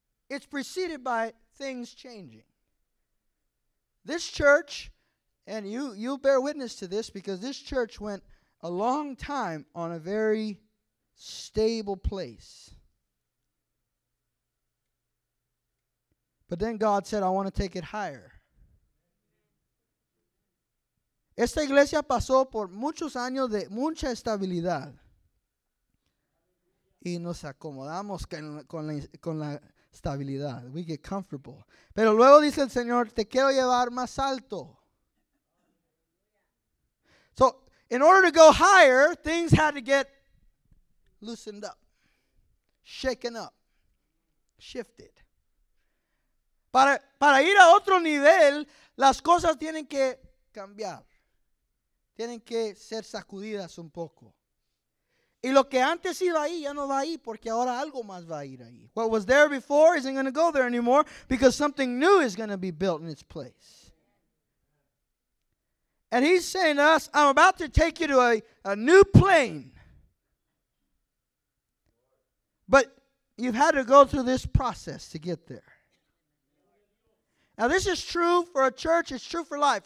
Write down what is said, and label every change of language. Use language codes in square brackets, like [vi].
[en] It's preceded by things changing. This church, and you bear witness to this, because this church went a long time on a very stable place. But then God said, I want to take it higher. [es] Esta iglesia pasó por muchos años de mucha estabilidad. Y nos acomodamos con la estabilidad. [en] We get comfortable. [es] Pero luego dice el Señor, te quiero llevar más alto. [en] So, in order to go higher, things had to get loosened up, shaken up, shifted. [es] Para ir a otro nivel, las cosas tienen que cambiar. Tienen que ser sacudidas un poco. Y lo que antes iba ahí, ya no va ahí, porque ahora algo más va a ir ahí. [en] What was there before isn't going to go there anymore, because something new is going to be built in its place. And he's saying to us, I'm about to take you to a new plane. But you've had to go through this process to get there. Now, this is true for a church, it's true for life.